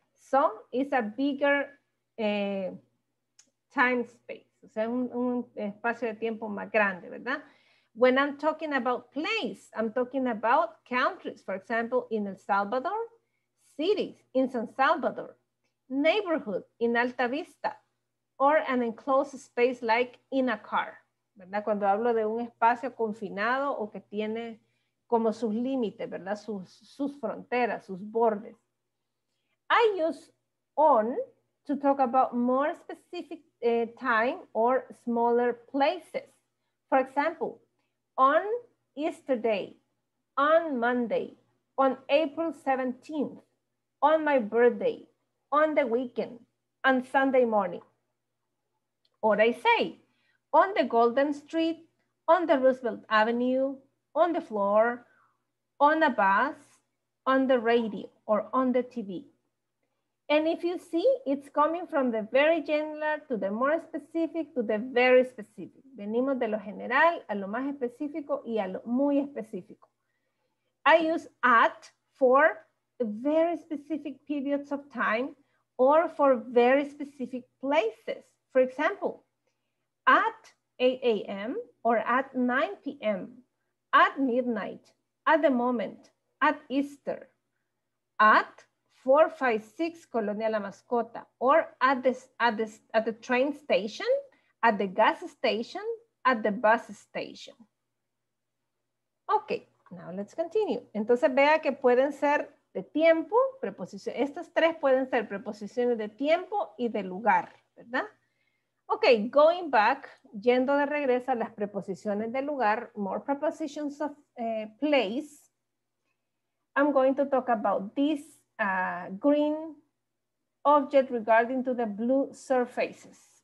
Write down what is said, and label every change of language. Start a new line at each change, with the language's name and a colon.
English: So it's a bigger time space,
Spanish: o sea, un espacio de tiempo más grande, ¿verdad?
English: When I'm talking about place, I'm talking about countries, for example, in El Salvador, cities in San Salvador, neighborhood in Alta Vista, or an enclosed space like in a car, ¿verdad?
Spanish: Cuando hablo de un espacio confinado o que tiene como sus límites, ¿verdad? Sus fronteras, sus bordes.
English: I use on to talk about more specific time or smaller places. For example, on Easter Day, on Monday, on April 17th, on my birthday, on the weekend, on Sunday morning. Or I say, on the Golden Street, on the Roosevelt Avenue, on the floor, on a bus, on the radio, or on the TV. And if you see, it's coming from the very general to the more specific to the very specific.
Spanish: Venimos de lo general a lo más específico y a lo muy específico.
English: I use at for very specific periods of time or for very specific places. For example, at 8 a.m. or at 9 p.m., at midnight, at the moment, at Easter, at 456 Colonia La Mascota, or at the train station, at the gas station, at the bus station. Ok, now let's continue.
Spanish: Entonces vea que pueden ser de tiempo, preposición. Estas tres pueden ser preposiciones de tiempo y de lugar, ¿verdad?
English: Ok, going back,
Spanish: yendo de regreso a las preposiciones de lugar,
English: more prepositions of place, I'm going to talk about this green object regarding to the blue surfaces.